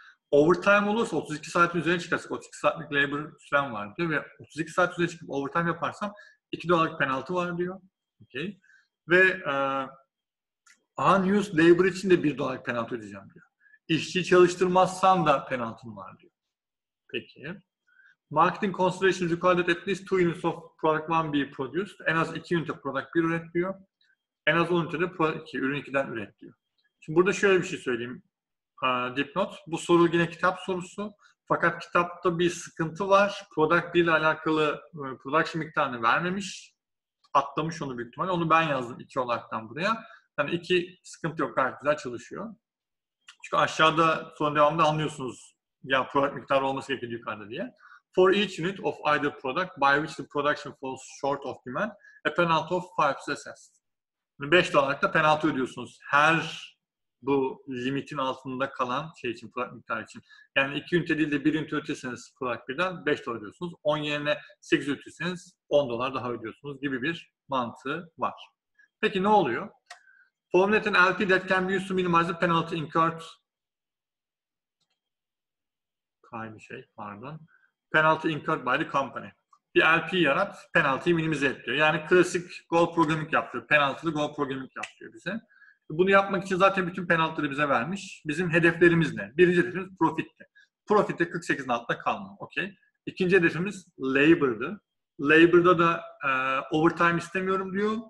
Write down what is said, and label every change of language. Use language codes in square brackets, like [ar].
[tr] Overtime olursa 32 saatin üzerine çıkarsak 32 saatlik labor süren var diyor ve 32 saat üzerine çıkıp overtime yaparsam 2 dolarlık penaltı var diyor. Okay. Ve unused labor için de 1 dolarlık penaltı ödeyeceğim diyor. İşçi çalıştırmazsan da penaltın var diyor. Peki. [en] Marketing consideration required at least 2 units of product 1 be produced. [tr] En az 2 ünite product 1 üret diyor. En az 10 ünite product 2, ürün 2'den üret diyor. Şimdi burada şöyle bir şey söyleyeyim. Dipnot. Bu soru yine kitap sorusu. Fakat kitapta bir sıkıntı var. Product 1 ile alakalı production miktarını vermemiş. Atlamış onu büyük ihtimalle. Onu ben yazdım 2 olaraktan buraya. Yani 2 sıkıntı yok. Gayet güzel çalışıyor. Çünkü aşağıda sorunun devamında anlıyorsunuz. Ya product miktarı olması gerekiyor yukarıda diye. [en] For each unit of either product by which the production falls short of demand, a penalty of 5 is assessed. [tr] 5 dolarlık da penaltı ödüyorsunuz. Her bu limitin altında kalan şey için, product miktarı için. Yani 2 ünite değil de 1 ünite ödüyorsanız product 1'den 5 dolar ödüyorsunuz. 10 yerine 8 ödüyorsanız 10 dolar daha ödüyorsunuz gibi bir mantığı var. Peki ne oluyor? [en] Formulate an LP that can be used to minimize the penalty incurred. [tr] Aynı şey, pardon. [en] Penalty incurred by the company. [tr] Bir LP yarat, penaltıyı minimize et diyor. Yani klasik goal programming yaptırıyor. Penaltılı goal programming yaptırıyor bize. Bunu yapmak için zaten bütün penaltıları bize vermiş. Bizim hedeflerimiz ne? Birinci hedefimiz profitti. Profitte 48'in altında kalma. Okay. İkinci hedefimiz labor'dı. Labor'da da overtime istemiyorum diyor.